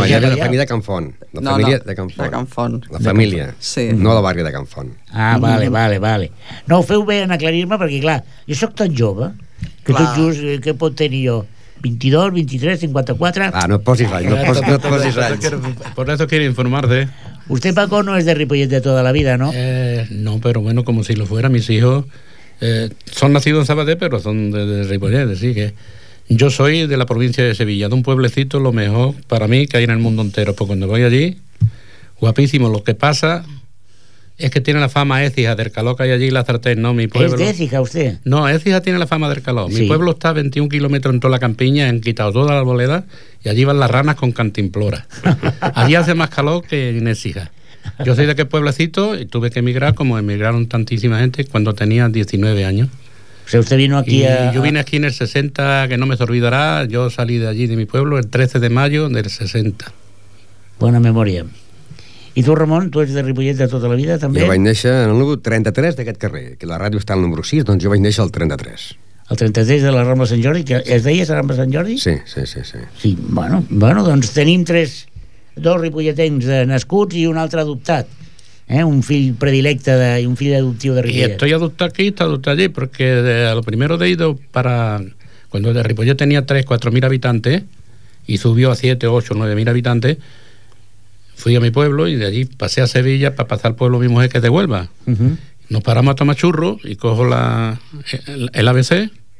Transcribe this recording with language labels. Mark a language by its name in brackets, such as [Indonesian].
[Catalan] allà. No, allà era la família de Can Font. La família de Can Font. De Can Font. La família, sí. No la barri de Can Font. Ah, vale. No, ho feu bé en aclarir-me, perquè clar, jo sóc tan jove... Que tot just, què pot tenir jo? 22, 23, 54... Ah, no et posis anys, no et posis anys. [Spanish] Por eso quiero informarte. Usted, Paco, no es de Ripollet de toda la vida, ¿no? No, pero bueno, como si lo fuera. Mis hijos son nacidos en Sabadell, pero son de Ripollet, así que... Yo soy de la provincia de Sevilla, de un pueblecito, lo mejor para mí que hay en el mundo entero. Porque cuando voy allí, guapísimo, lo que pasa... Es que tiene la fama Écija del calor que hay allí en la sartén, ¿no? Mi pueblo. ¿Es de Écija usted? No, Écija tiene la fama del calor. Sí. Mi pueblo está a 21 kilómetros en toda la campiña, han quitado toda la arboleda y allí van las ranas con cantimplora. Allí hace más calor que en Écija. Yo soy de aquel pueblecito y tuve que emigrar, como emigraron tantísima gente, cuando tenía 19 años. O sea, usted vino aquí y a... Yo vine aquí en el 60, que no me se olvidará. Yo salí de allí, de mi pueblo, el 13 de mayo del 60. Buena memoria. [Catalan] I tu, Ramon, tu ets de Ripollet de tota la vida, també? Jo vaig néixer en el número 33 d'aquest carrer, que la ràdio està al número 6, doncs jo vaig néixer al 33. El 33 de la Rambla Sant Jordi, que es deia la Rambla Sant Jordi? Sí, sí, sí. Sí, sí, bueno, doncs tenim tres, dos ripolletens nascuts i un altre adoptat. Un fill predilecte i un fill adoptiu de Ripollet. [Spanish] I estoy adoptado aquí, está adoptado allí, porque de, a lo primero he ido para... Cuando de Ripollet tenía 3, 4 mil habitantes y subió a 7, 8, 9 mil habitantes, fui a mi pueblo y de allí pasé a Sevilla para pasar al pueblo de mi mujer, que es de Huelva. Uh-huh. Nos paramos a tomar churro y cojo el ABC.